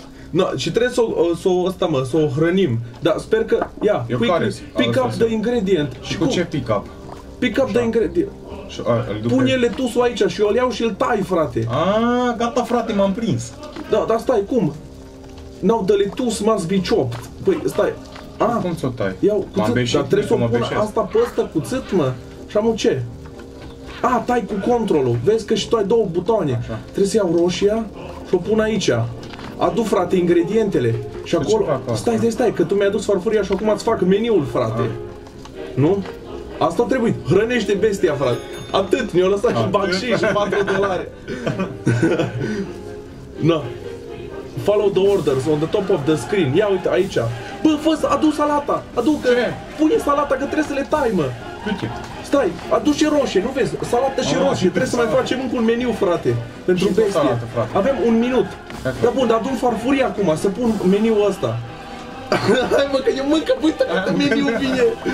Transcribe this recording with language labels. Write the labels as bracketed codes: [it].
[ro] No, și trebuie să o hrănim. Dar sper că, ia, [en] pick up the ingredient. [ro] Și cu ce [en] pick up? Pick up the ingredient. [ro] Pune lettuce-ul aici și eu îl iau și îl tai, frate. Gata, frate, m-am prins. Da, dar stai, cum? [en] Now the lettuce must be chopped. [ro] Păi, stai. Cum ți-o tai? Iau, cuțit, dar trebuie să o pun asta pe ăsta cuțit, mă. Și am un ce? Tai cu controlul. Vezi că și tu ai două butoane. Așa. Trebuie să iau roșia și o pun aici. Adu, frate, ingredientele și acolo... Stai, că tu mi-ai adus farfuria și acum îți fac meniul, frate. Nu? Asta a trebuit. Hrănește bestia, frate. Atât, ne-o lăsat și bani și $4. Na. [en] Follow the orders on the top of the screen. [ro] Ia uite, aici. Bă, adu salata. Adu, că pune salata, că trebuie să le tai, mă. Stai, adu și roșie, nu vezi? Salată și roșie. Trebuie să mai facem încă un meniu, frate. Pentru bestie. Avem un minut. Da, bun, dar adun farfurii acum, să pun meniul ăsta. Hai, mă, că eu mâncă, uite câte meniu vine.